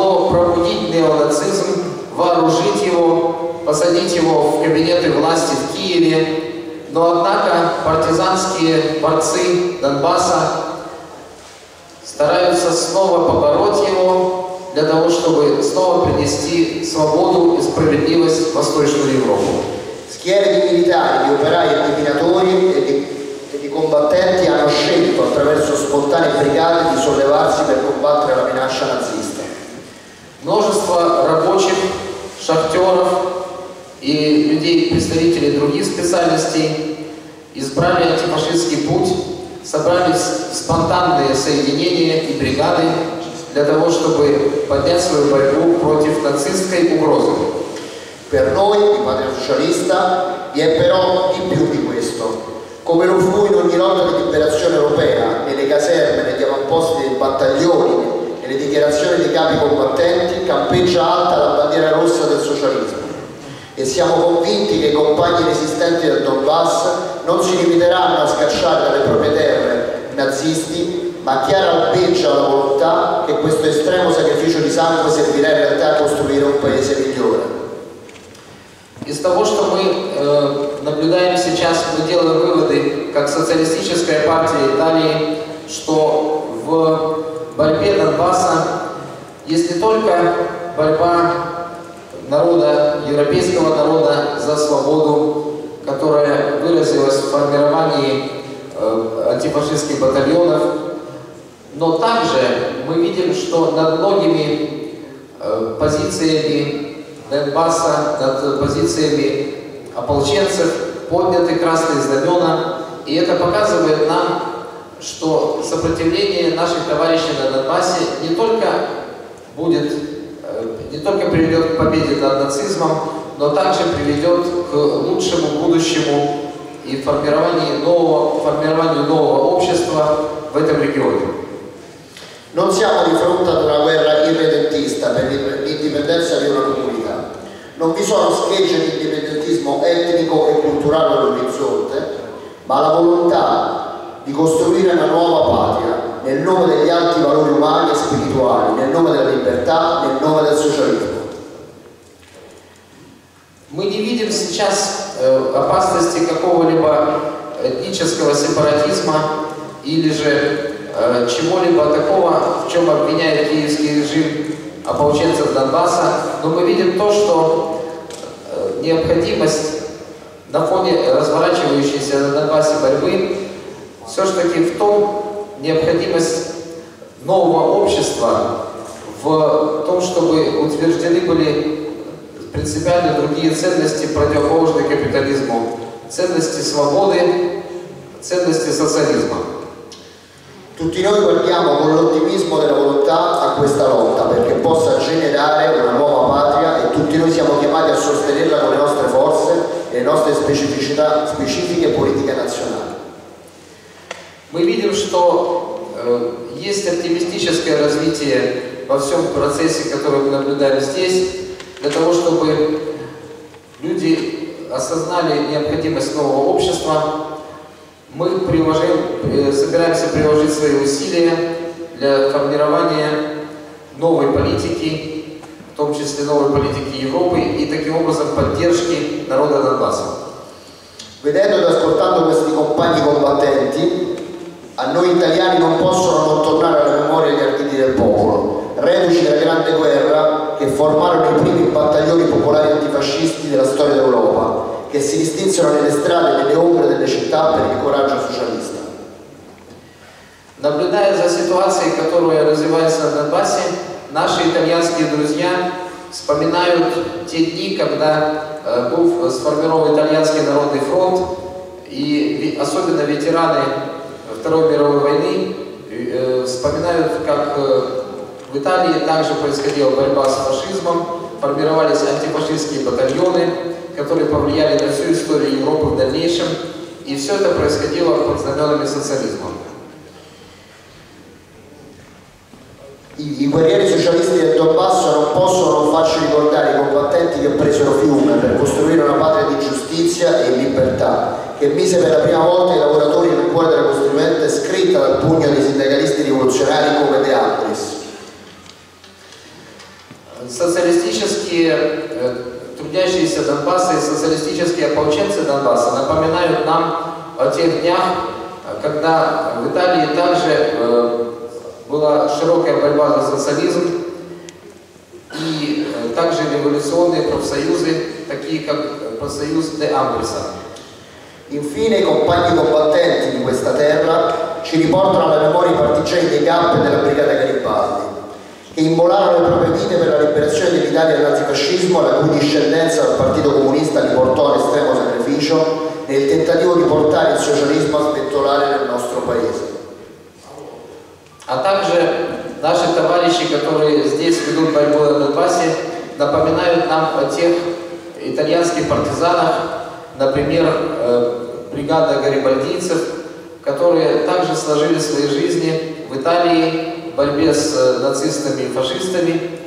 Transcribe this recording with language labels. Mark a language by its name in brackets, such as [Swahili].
[Russian] пробудить неонацизм, вооружить его, посадить его в кабинеты власти в Киеве. Но однако партизанские борцы Донбасса стараются снова побороть его для того, чтобы снова принести свободу и справедливость в Восточную Европу. [Italian] Schiere di militari, di operai e di minatori e di combattenti hanno scelto attraverso spontanee brigate di sollevarsi per combattere la minaccia nazista. [Russian] Множество рабочих, шахтеров и людей, представителей других специальностей, избрали антифашистский путь, собрались спонтанные соединения и бригады для того, чтобы поднять свою борьбу против нацистской угрозы. [Italian] Per noi, i padri socialista, vi è però di più di questo. Come lo fu in ogni lotta di liberazione europea, nelle caserme, negli avamposti dei battaglioni, nelle dichiarazioni dei capi combattenti, campeggia alta la bandiera rossa del socialismo. E siamo convinti che i compagni resistenti del Donbass non si limiteranno a scacciare dalle proprie terre i nazisti, ma chiara albeggia la volontà che questo estremo sacrificio di sangue servirà in realtà a costruire un paese migliore. [Russian] Из того, что мы наблюдаем сейчас, мы делаем выводы, как социалистическая партия Италии, что в борьбе Донбасса есть не только борьба народа, европейского народа за свободу, которая выразилась в формировании антифашистских батальонов, но также мы видим, что над многими позициями Донбасса над позициями ополченцев подняты красные знамена, и это показывает нам, что сопротивление наших товарищей на Донбассе не только будет, не только приведет к победе над нацизмом, но также приведет к лучшему будущему и формированию нового общества в этом регионе. [Italian] Non siamo di fronte ad una guerra irredentista per l'indipendenza di una comunità. Non vi sono schegge di indipendentismo etnico e culturale all'orizzonte, ma la volontà di costruire una nuova patria nel nome degli alti valori umani e spirituali, nel nome della libertà, nel nome del socialismo. [Russian] Мы не видим сейчас опасности какого-либо этнического сепаратизма или же чего-либо такого, в чем обвиняет киевский режим ополченцев Донбасса, но мы видим то, что необходимость на фоне разворачивающейся на Донбассе борьбы все-таки в том, необходимость нового общества в том, чтобы утверждены были принципиально другие ценности, противоположные капитализму, ценности свободы, ценности социализма. [Italian] Tutti noi guardiamo con l'ottimismo della volontà a questa lotta perché possa generare una nuova patria e tutti noi siamo chiamati a sostenerla con le nostre forze e le nostre specificità specifiche politiche nazionali. [Russian] Мы видим, что есть оптимистическое развитие во всем процессе, который мы наблюдаем здесь, для того, чтобы люди осознали необходимость нового общества. Мы собираемся приложить свои усилия для формирования новой политики, в том числе новой политики Европы и таким образом поддержки народа Донбасса. [Italian] Vedendo ed ascoltando questi compagni combattenti, a noi italiani non possono non tornare alla memoria gli arditi del popolo, reduci della grande guerra che formarono i primi battaglioni popolari antifascisti della storia d'Europa. Che si distinsero nelle strade, nelle ombre delle città per il coraggio socialista. [Russian] Наблюдая за ситуацией, которая развивается на Донбассе, наши итальянские друзья вспоминают те дни, когда был сформирован итальянский народный фронт, и особенно ветераны Второй мировой войны вспоминают, как в Италии также происходила борьба с фашизмом, формировались антифашистские батальоны, которые повлияли на всю историю Европы в дальнейшем, и все это происходило под знаменами социализма. [Italian] I guerrieri socialisti del Donbasso non possono non farci ricordare i combattenti che presero Fiume per costruire una patria di giustizia e libertà, che mise per la prima volta i lavoratori nel cuore della costituente scritta dal pugno dei sindacalisti rivoluzionari come De Andris. [Russian] социалистические трудящиеся Донбасса и социалистические ополченцы Донбасса напоминают нам о тех днях, когда в Италии также была широкая борьба за социализм, и также революционные профсоюзы, такие как профсоюз де Амбриса. [Italian] Infine, i compagni combattenti di questa terra ci riportano alla memoria i partigiani dei campi della Brigata Garibaldi, che immolarono le proprie vite per la liberazione dell'Italia dal nazifascismo, la cui discendenza dal Partito Comunista li portò all'estremo sacrificio nel tentativo di portare il socialismo a spettolare nel nostro paese. [Russian] A также наши товарищи, которые здесь ведут борьбу на Донбассе, напоминают нам о тех итальянских партизанах, например, бригада гарибальдийцев, которые также сложили свои жизни в Италии в борьбе с нацистами и фашистами.